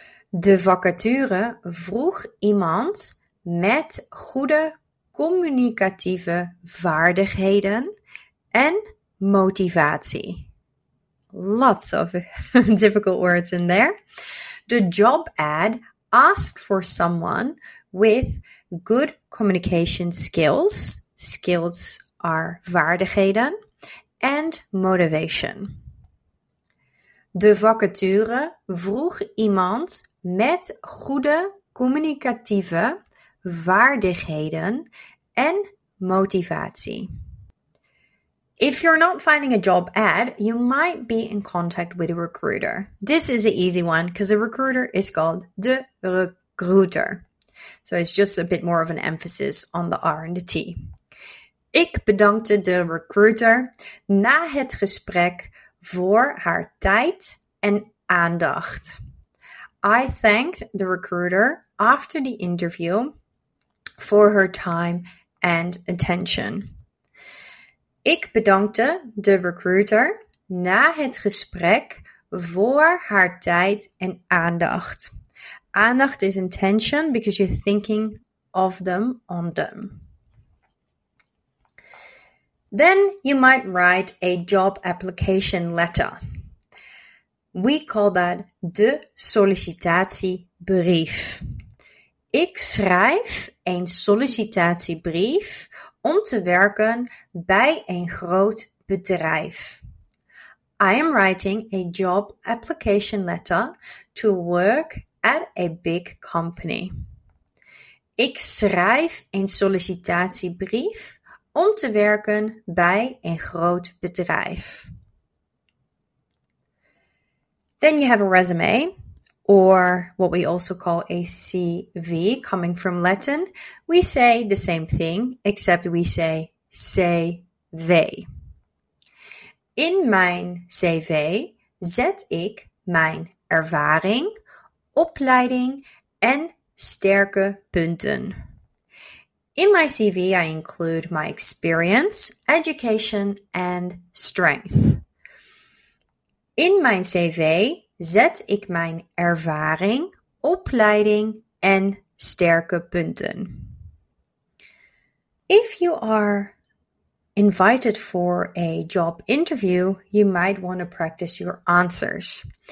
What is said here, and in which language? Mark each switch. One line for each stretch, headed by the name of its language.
Dutch: De vacature vroeg iemand met goede communicatieve vaardigheden en motivatie.
English: Lots of difficult words in there. The job ad asked for someone with good communication skills. Skills are vaardigheden and motivation.
Dutch: De vacature vroeg iemand met goede communicatieve vaardigheden en motivatie.
English: If you're not finding a job ad, you might be in contact with a recruiter. This is an easy one because a recruiter is called de recruiter. So it's just a bit more of an emphasis on the R and the T.
Dutch: Ik bedankte de recruiter na het gesprek voor haar tijd en aandacht.
English: I thanked the recruiter after the interview for her time and attention.
Dutch: Ik bedankte de recruiter na het gesprek voor haar tijd en aandacht.
English: Aandacht is attention because you're thinking of them on them. Then you might write a job application letter. We call that de sollicitatiebrief.
Dutch: Ik schrijf een sollicitatiebrief om te werken bij een groot bedrijf.
English: I am writing a job application letter to work at a big company.
Dutch: Ik schrijf een sollicitatiebrief om te werken bij een groot bedrijf.
English: Then you have a resume, or what we also call a CV, coming from Latin. We say the same thing, except we say CV.
Dutch: In mijn CV zet ik mijn ervaring, opleiding en sterke punten.
English: In my CV, I include my experience, education and strength.
Dutch: In mijn CV zet ik mijn ervaring, opleiding en sterke punten.
English: If you are invited for a job interview, you might want to practice your answers.